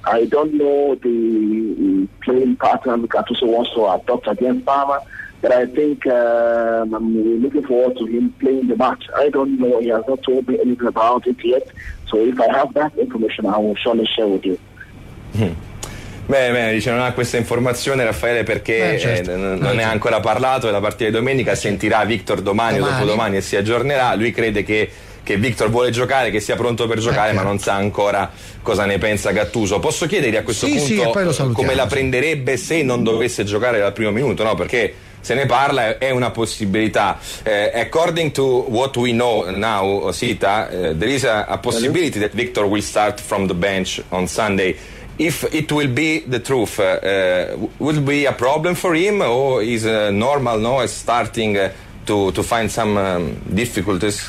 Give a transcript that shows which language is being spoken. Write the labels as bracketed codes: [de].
[en] I don't know the playing pattern Gattuso wants to adopt against Parma, but I think I'm looking forward to him playing the match. I don't know, he has not told me anything about it yet, so if I have that information I will surely share with you. [it] Beh, dice non ha questa informazione Raffaele perché non ne ha ancora parlato, è la partita di domenica, sentirà Victor domani o dopodomani e si aggiornerà. Lui crede che Victor vuole giocare, che sia pronto per giocare, ma non sa ancora cosa ne pensa Gattuso. Posso chiedere a questo punto come la prenderebbe se non dovesse giocare dal primo minuto, no? Perché se ne parla, è una possibilità. [en] According to what we know now, Osita, there is a possibility that Victor will start from the bench on Sunday. if it will be the truth, would be a problem for him, or is normal now starting to find some difficulties?